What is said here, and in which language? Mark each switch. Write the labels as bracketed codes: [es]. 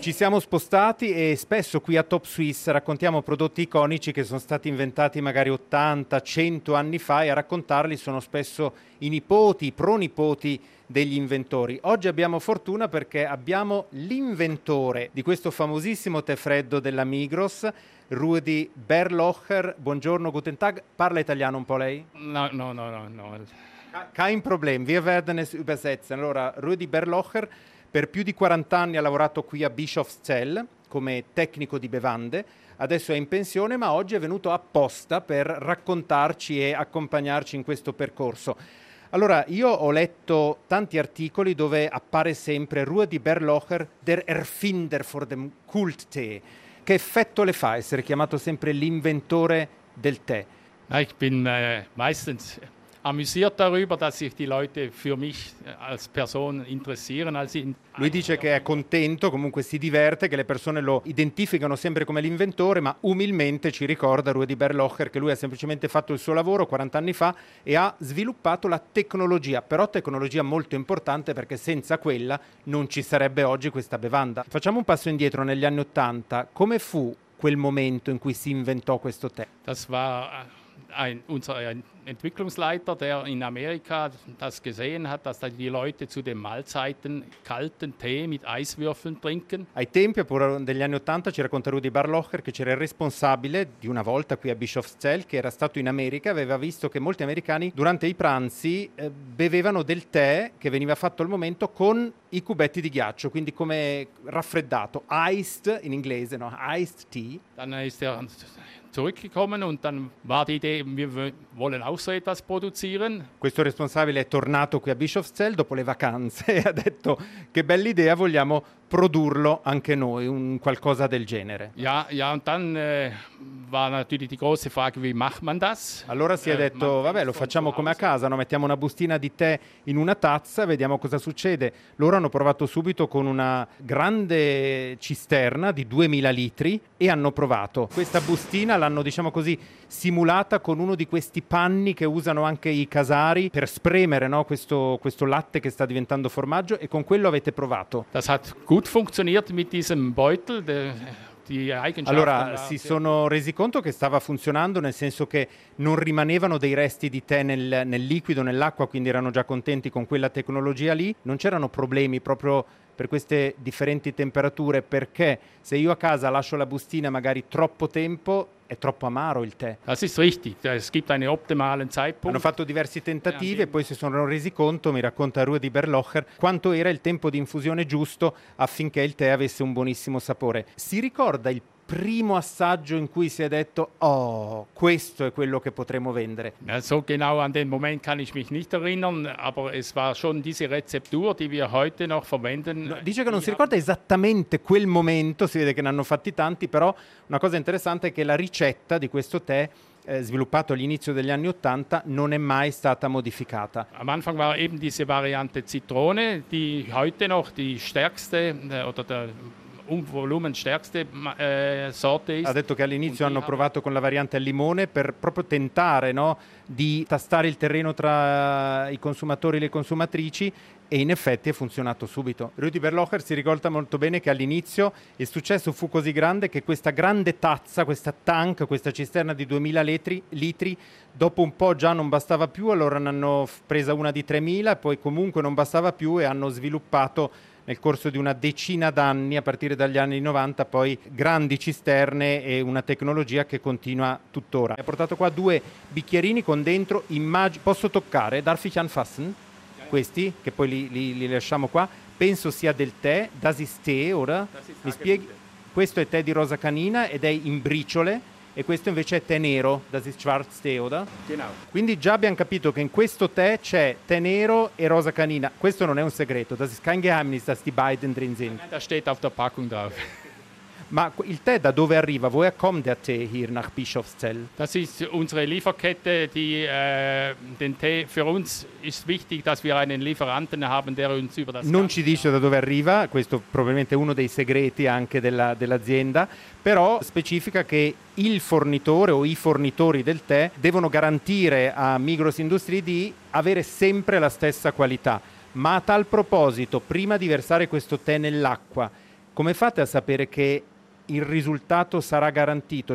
[it] Ci siamo spostati e spesso qui a Top Swiss raccontiamo prodotti iconici che sono stati inventati magari 80, 100 anni fa e a raccontarli sono spesso i nipoti, i pronipoti degli inventori. Oggi abbiamo fortuna perché abbiamo l'inventore di questo famosissimo tè freddo della Migros, Rudy Berlocher. Buongiorno, [de] guten Tag. [it] Parla italiano un po' lei? No. [de] Kein Problem, wir werden es übersetzen. [it] Allora, Rudy Berlocher per più di 40 anni ha lavorato qui a Bischofszell come tecnico di bevande, adesso è in pensione ma oggi è venuto apposta per raccontarci e accompagnarci in questo percorso. Allora, io ho letto tanti articoli dove appare sempre Rudy Berlocher, [de] der Erfinder for dem Kulttee. [it] Che effetto le fa essere chiamato sempre l'inventore del tè? [de] Ich bin meistens amüsiert darüber, dass sich die Leute für mich als Person interessieren. [it] Lui dice che è contento, comunque si diverte, che le persone lo identificano sempre come l'inventore, ma umilmente ci ricorda Rudy Berlocher che lui ha semplicemente fatto il suo lavoro 40 anni fa e ha sviluppato la tecnologia, però tecnologia molto importante perché senza quella non ci sarebbe oggi questa bevanda. Facciamo un passo indietro negli anni 80. Come fu quel momento in cui si inventò questo tè? [de] Das war unser Entwicklungsleiter, der in Amerika das gesehen hat, dass die Leute zu den Mahlzeiten kalten Tee mit Eiswürfeln trinken. [it] Ai tempi, pure degli anni Ottanta, ci racconta Rudy Berlocher che c'era il responsabile di una volta qui a Bischofszell, che era stato in America, aveva visto che molti americani durante i pranzi bevevano del tè che veniva fatto al momento con i cubetti di ghiaccio, quindi come raffreddato, iced in inglese, no? [en] Iced tea. [de] Dann ist er zurückgekommen und dann war die Idee, wir wollen auch so etwas produzieren. [it] Questo responsabile è tornato qui a Bischofszell dopo le vacanze e ha detto che bella idea, vogliamo produrlo anche noi, un qualcosa del genere. [de] Ja, ja, und dann war natürlich die große Frage, wie macht man das? [it] Allora si è detto, vabbè, lo facciamo come a casa, no? Mettiamo una bustina di tè in una tazza, vediamo cosa succede. Loro hanno provato subito con una grande cisterna di 2000 litri e hanno provato. Questa bustina l'hanno, diciamo così, simulata con uno di questi panni che usano anche i casari per spremere, no? questo latte che sta diventando formaggio e con quello avete provato. [de] Das hat gut funktioniert mit diesem Beutel. [it] Allora, si sono resi conto che stava funzionando, nel senso che non rimanevano dei resti di tè nel liquido, nell'acqua, quindi erano già contenti con quella tecnologia lì. Non c'erano problemi proprio per queste differenti temperature, perché se io a casa lascio la bustina magari troppo tempo, è troppo amaro il tè. [de] Das ist richtig. Es gibt einen optimalen Zeitpunkt. [it] Hanno fatto diversi tentativi e poi si sono resi conto, mi racconta Rudy Berlocher, quanto era il tempo di infusione giusto affinché il tè avesse un buonissimo sapore. Si ricorda il primo assaggio in cui si è detto, oh, questo è quello che potremo vendere? [de] So genau an den Moment kann ich mich nicht erinnern, aber es war schon diese Rezeptur, die wir heute noch verwenden. [it] No, dice che non si ricorda esattamente quel momento, si vede che ne hanno fatti tanti, però una cosa interessante è che la ricetta di questo tè, sviluppato all'inizio degli anni Ottanta, non è mai stata modificata. [de] Am Anfang war eben diese Variante Zitrone, die heute noch die stärkste, oder der un volume stärkste sorte. [it] Ha detto che all'inizio hanno provato con la variante al limone per proprio tentare, no, di tastare il terreno tra i consumatori e le consumatrici e in effetti è funzionato subito. Rudy Berlocher si ricorda molto bene che all'inizio il successo fu così grande che questa grande tazza, questa tank, questa cisterna di 2000 litri, dopo un po' già non bastava più, allora ne hanno presa una di 3000, poi comunque non bastava più e hanno sviluppato nel corso di una decina d'anni, a partire dagli anni 90, poi grandi cisterne e una tecnologia che continua tuttora. Ha portato qua due bicchierini con dentro, posso toccare? [de] Darf ich anfassen? [it] Questi, che poi li lasciamo qua. Penso sia del tè, [de] das ist Tee, [it] ora. Mi spieghi? Questo è tè di rosa canina ed è in briciole. E questo invece è tè nero, [de] das ist Schwarztee, oder? [it] Genau. Quindi già abbiamo capito che in questo tè c'è tè nero e rosa canina. Questo non è un segreto, [de] das ist kein Geheimnis, dass die beiden drin sind. Da steht auf der Packung drauf. [it] Ma il tè da dove arriva? [de] Woher kommt der Tee hier nach Bischofszell? Das ist unsere Lieferkette, die den Tee für uns ist wichtig, dass wir einen Lieferanten haben, der uns über das. [it] Non ci dice da dove arriva, questo probabilmente è uno dei segreti anche dell'azienda, però specifica che il fornitore o i fornitori del tè devono garantire a Migros Industrie di avere sempre la stessa qualità. Ma a tal proposito, prima di versare questo tè nell'acqua, come fate a sapere che il risultato sarà garantito?